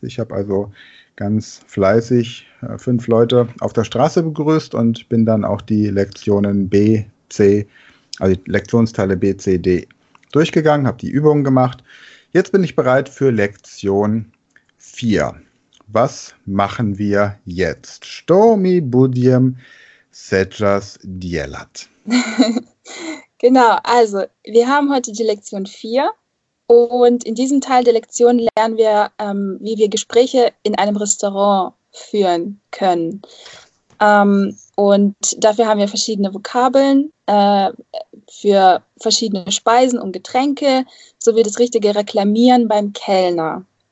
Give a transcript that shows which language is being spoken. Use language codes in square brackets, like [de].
[de] Ich habe also ganz fleißig fünf Leute auf der Straße begrüßt und bin dann auch die Lektionen B, C, also die Lektionsteile B, C, D durchgegangen, habe die Übungen gemacht. Jetzt bin ich bereit für Lektion 4. Was machen wir jetzt? [ru] Что мы будем сейчас делать? [de] Genau, also wir haben heute die Lektion 4 und in diesem Teil der Lektion lernen wir, wie wir Gespräche in einem Restaurant führen können. Und dafür haben wir verschiedene Vokabeln für verschiedene Speisen und Getränke, sowie das richtige Reklamieren beim Kellner.